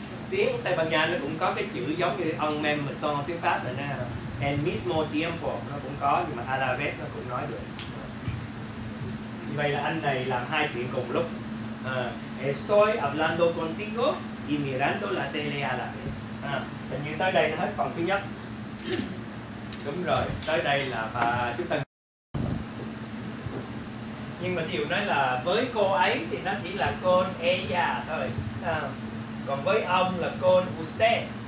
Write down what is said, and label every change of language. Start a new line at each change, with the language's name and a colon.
Vietnamese: Tiếng Tây Ban Nha nó cũng có cái chữ giống như
French: en même temps
Vietnamese: tiếng Pháp là nào.
Spanish: En mismo tiempo
Vietnamese: nó cũng có, nhưng mà
Spanish: a la vez
Vietnamese: nó cũng nói được. Vậy là anh này làm hai chuyện cùng lúc.
Spanish: Estoy hablando contigo y mirando la tele a la vez.
Vietnamese: Hình như tới đây là hết phần thứ nhất. Đúng rồi, tới đây là và chúng ta. Nhưng mà Thiệu nói là với cô ấy thì nó chỉ là
Spanish: con ella
Vietnamese: thôi. Còn với ông là
Spanish: con usted.